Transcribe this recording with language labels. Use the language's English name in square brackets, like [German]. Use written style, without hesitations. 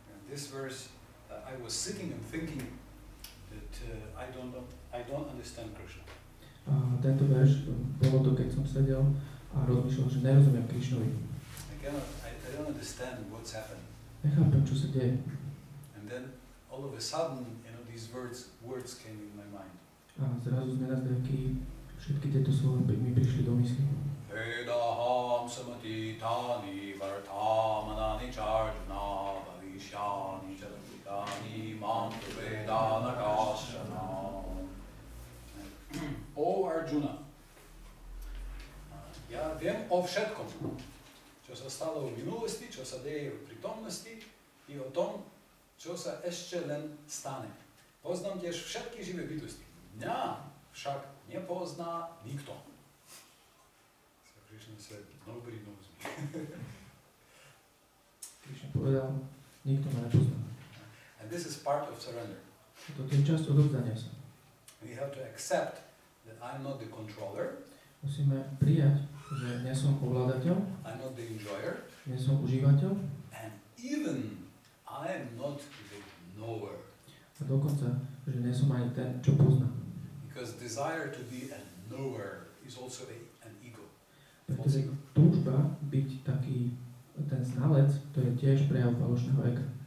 [English] This verse, I was sitting and thinking that I don't understand Krishna. [Slovak] Tento verš, bolo to, keď som sedel a rozmýšľal, že nerozumiem Krišnovi. [English] I don't understand what's happening. [Slovak] Nechápem, čo sa deje. [English] And then all of a sudden, you know, these words came in my mind. [Slovak] A zrazu z nenazdávky všetky tieto slova mi prišli do mysli. [Sanskrit] Veda. samati tani vartamanani charjana bhavishyani jalabhikani mantuvedana kashana. [Slovak] O Arjuna, ja viem o všetkom, čo sa stalo v minulosti, čo sa deje v prítomnosti i o tom, čo sa ešte len stane. Poznám tiež všetky živé bytosti. Mňa však nepozná nikto. Krišna sa dobrý nozmi. Krišna povedal, nikto ma nepozná. [English] And this is part of surrender. [Slovak] To je časť odovzdania sa. [English] We have to accept that I'm not the controller. [Slovak] Musíme prijať, že nie som ovládateľ. [English] I'm not the enjoyer. [Slovak] Nie som užívateľ. [English] And even I'm not the knower. [Slovak] A dokonca, že nie som aj ten, čo pozná. [English] Because desire to be a knower is also an ego. [Slovak] Pretože túžba byť taký ten znalec, to je tiež prejav falošného ega.